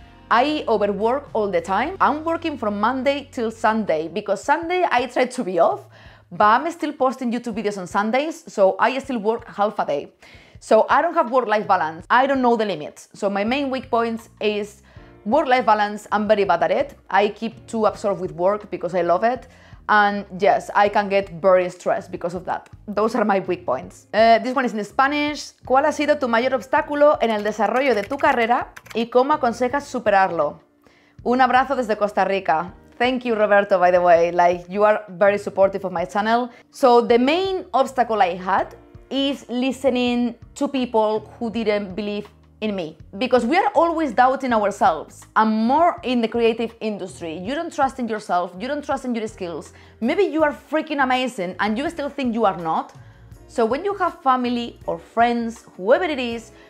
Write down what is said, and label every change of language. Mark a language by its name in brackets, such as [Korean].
[English] I overwork all the time. I'm working from Monday till Sunday because Sunday I try to be off, but I'm still posting YouTube videos on Sundays, so I still work half a day. So I don't have work-life balance. I don't know the limits. So my main weak points is work-life balance, I'm very bad at it. I keep too absorbed with work because I love it. And yes, I can get very stressed because of that. Those are my weak points. This one is in Spanish. [Spanish] ¿Cuál ha sido tu mayor obstáculo en el desarrollo de tu carrera y cómo aconsejas superarlo? Un abrazo desde Costa Rica. [English] Thank you, Roberto, by the way. Like, you are very supportive of my channel. So the main obstacle I had is listening to people who didn't believe in me, because we are always doubting ourselves, and more in the creative industry. You don't trust in yourself, you don't trust in your skills. Maybe you are freaking amazing and you still think you are not. So when you have family or friends, whoever it is,